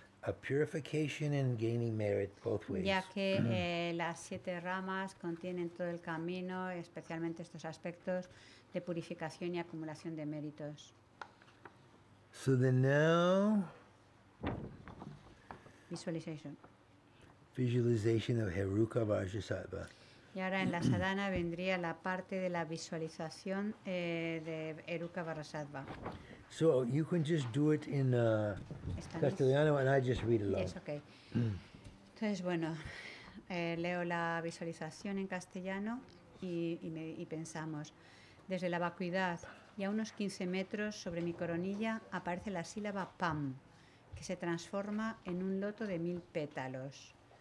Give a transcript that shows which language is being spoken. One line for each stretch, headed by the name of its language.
English: A purification and gaining merit both ways.
Spanish: Ya que las siete ramas contienen todo el camino, especialmente estos aspectos de purificación y acumulación de méritos.
English: So then now, visualization. Visualization of Haruka Vajrasattva.
Spanish: Y ahora en la sadhana vendría la parte de la visualización de Haruka Vajrasattva.
English: So you can just do it in Castellano and I just read along. Yes, okay.
Spanish: Entonces, bueno, leo la visualización en castellano y pensamos. Desde la vacuidad y a unos 15 metros sobre mi coronilla aparece la sílaba PAM, que se transforma en un loto de 1000 pétalos.